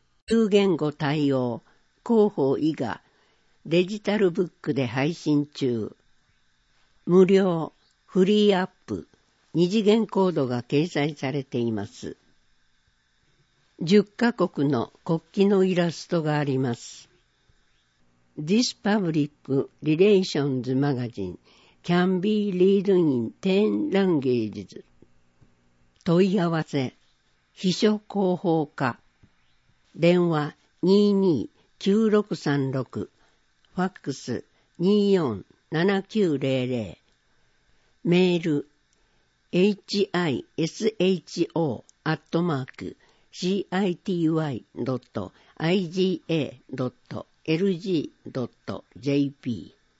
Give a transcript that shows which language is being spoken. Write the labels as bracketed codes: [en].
[ja] 9言語対応、広報伊賀、デジタルブックで配信中。無料、フリーアップ、二次元コードが掲載されています。 10カ国の国旗のイラストがあります。 [en] This Public Relations Magazine can be read in 10 languages. [ja] 問い合わせ、秘書広報課、電話229636、ファックス247900、メール hiso@city.iga.lg.jp